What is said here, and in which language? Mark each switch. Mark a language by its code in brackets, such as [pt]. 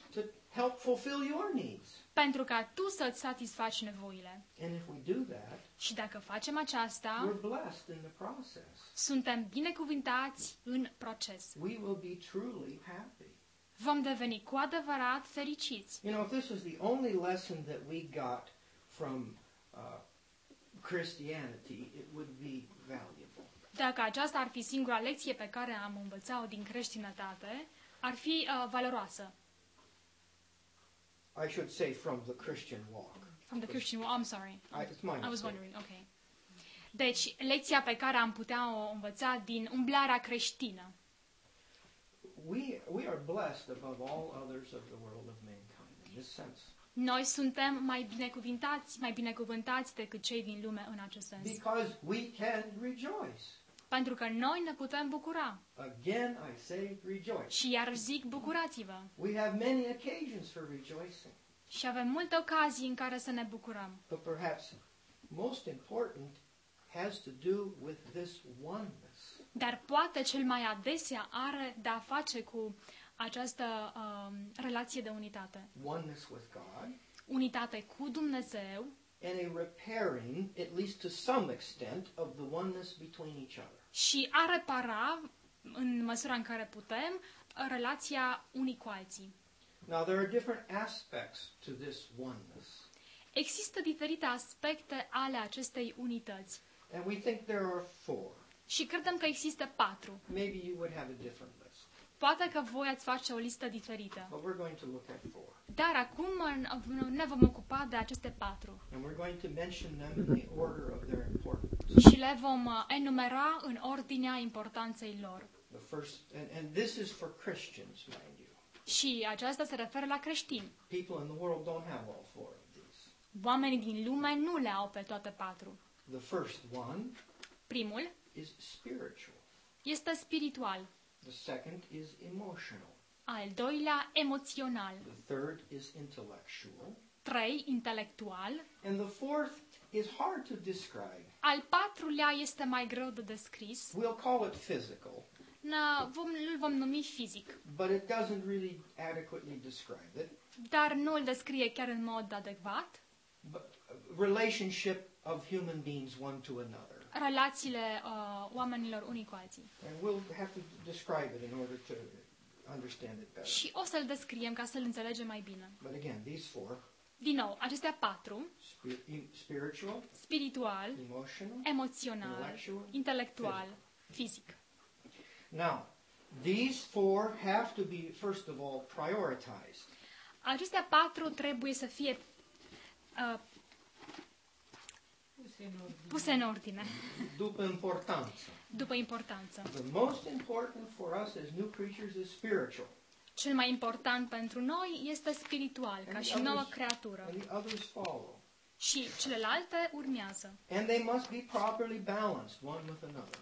[en] To help fulfill your needs. [ro] Pentru ca tu să-ți satisfaci nevoile. [en] And if we do that, [ro] și dacă facem aceasta, [en] we're blessed in the process. [ro] Suntem binecuvântați în proces. [en] We will be truly happy. [ro] Vom deveni cu adevărat fericiți. [en] You know, if this is the only lesson that we got from Christianity, it would be valuable. [ro] Dacă aceasta ar fi singura lecție pe care am învățat-o din creștinătate, ar fi valoroasă. [en] I should say from the Christian walk. From the Christian walk, I'm sorry. It's my mistake. I was wondering, okay. [ro] Deci, lecția pe care am putea-o învăța din umblarea creștină. [en] We are blessed above all others of the world of mankind in this sense. [ro] Noi suntem mai binecuvântați decât cei din lume în acest sens. [en] Because we can rejoice. [ro] Pentru că noi ne putem bucura. [en] Again, I say rejoice. [ro] Și iar zic, bucurați-vă. [en] We have many occasions for rejoicing. [ro] Și avem multe ocazii în care să ne bucurăm. [en] But perhaps most important has to do with this oneness. [ro] Dar poate cel mai adesea are de-a face cu această relație de unitate. [en] Oneness with God. [ro] Unitate cu Dumnezeu. [en] And a repairing, at least to some extent, of the oneness between each other. [ro] Și a repara, în măsura în care putem, relația unii cu alții. [en] Now, there are different aspects to this oneness. [ro] Există diferite aspecte ale acestei unități. [en] And we think there are four. [ro] Și credem că există patru. [en] Maybe you would have a different list. [ro] Poate că voi ați face o listă diferită. [en] But we're going to look at four. [ro] Dar acum ne vom ocupa de aceste patru. [en] And we're going to mention them in the order of their importance. [ro] Și le vom enumera în ordinea importanței lor. [en] The first, and this is for Christians, mind you. [ro] Și aceasta se referă la creștini. [en] People in the world don't have all four of these. [ro] Oamenii din lume nu le au pe toate patru. [en] The first one. [ro] Primul. [en] Is spiritual. [ro] Este spiritual. [en] The second is emotional. [ro] Al doilea, emoțional. [en] The third is intellectual. [ro] Trei, intelectual. [en] And the fourth is hard to describe. [ro] Al patrulea este mai greu de descris. [en] We'll call it physical. [ro] Îl vom numi fizic. [en] But it doesn't really adequately describe it. [ro] Dar nu îl descrie chiar în mod adecvat. [en] Relationship of human beings one to another. [ro] Relațiile oamenilor unii cu alții. [en] And we'll have to describe it in order to understand it better. [ro] Și o să-l descriem ca să-l înțelegem mai bine. [en] But again, these four. [ro] Din nou, acestea patru. [en] Spiritual. [ro] Spiritual. [en] Emotional. [ro] Emoțional. Intelectual. Fizic. [en] Now, these four have to be, first of all, prioritized. [ro] Acestea patru trebuie să fie puse în ordine. După importanță. După importanță. [en] The most important for us as new creatures is spiritual. [ro] Cel mai important pentru noi este spiritual, ca și nouă creatură. [en] And the others follow. [ro] Și celelalte urmează. [en] And they must be properly balanced one with another.